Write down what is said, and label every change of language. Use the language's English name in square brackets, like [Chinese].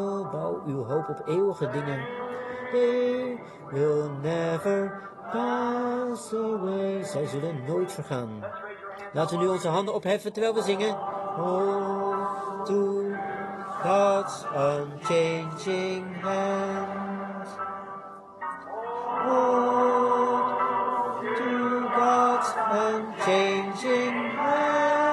[Dutch] Bouw uw hoop op eeuwige dingen. [English] They will never pass away. [Dutch] Zij zullen nooit vergaan. Laten we nu onze handen opheffen terwijl we zingen. [English] Hold to God's unchanging hand. Hold to God's unchanging hand.